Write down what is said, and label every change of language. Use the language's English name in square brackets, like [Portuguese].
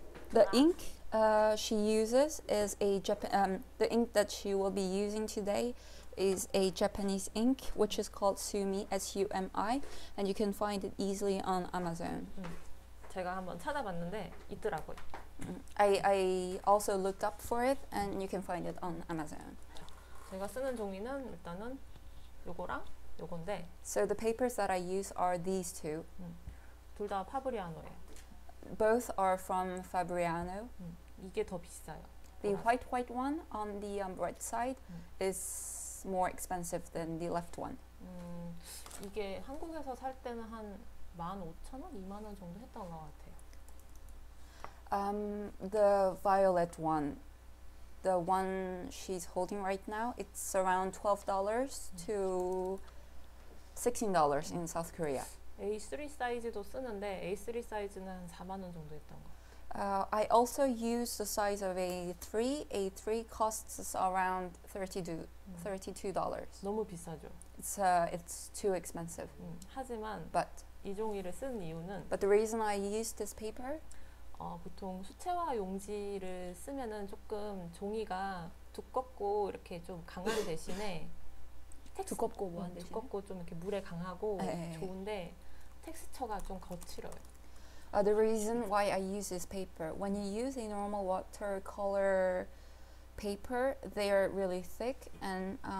[English] The ink she uses is a the ink that she will be using today is a Japanese ink, which is called Sumi, S-U-M-I, and you can find it easily on Amazon. [Korean] 제가 한번 찾아봤는데 있더라고요. [English] I also looked up for it, and you can find it on Amazon. [Korean] 제가 쓰는 종이는 일단은 요거랑 요건데. [English] So the papers that I use are these two. [Korean] 둘 다 파브리아노예요. [English] Both are from Fabriano. [Korean] 이게 더 비싸요. [English] The white one on the right side is more expensive than the left one. [Korean] 이게 한국에서 살 때는 한 15,000원, 2만 원 정도 했던 것 같아요. [English] The violet one. the one she's holding right now, it's around $12 to $16 in South Korea. [Korean] A3 사이즈도 쓰는데 A3 사이즈는 4만 원 정도 했던 거. [English] I also use the size of A3. A3 costs around $32. [Korean] 너무 비싸죠. [English] It's too expensive. [Korean] 하지만 [English] but [Korean] 이 종이를 쓴 이유는 [English] but the reason I use this paper [Korean] 보통 수채화 용지를 쓰면은 조금 종이가 두껍고 이렇게 좀 강한 대신에 두껍고 뭐 한 대신 두껍고 좀 이렇게 물에 강하고 좋은데 텍스처가 좀 거칠어요. [English] The reason why I use this paper, when you use a normal watercolor paper, they are really thick and